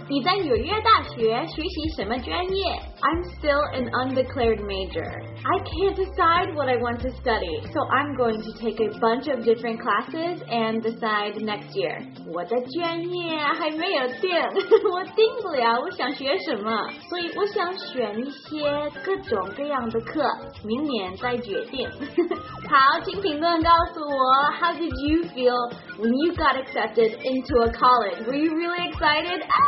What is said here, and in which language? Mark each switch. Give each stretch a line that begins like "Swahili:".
Chinese: 你在纽约大学学习什么专业？
English: I'm still an undeclared major. I can't decide what I want to study, so I'm going to take a bunch of different classes and decide next year.
Chinese: 我的专业还没有定，我定不了我想学什么，所以我想选一些各种各样的课，明年再决定。好，请评论告诉我
English: How did you feel when you got accepted into a college? Were you really excited?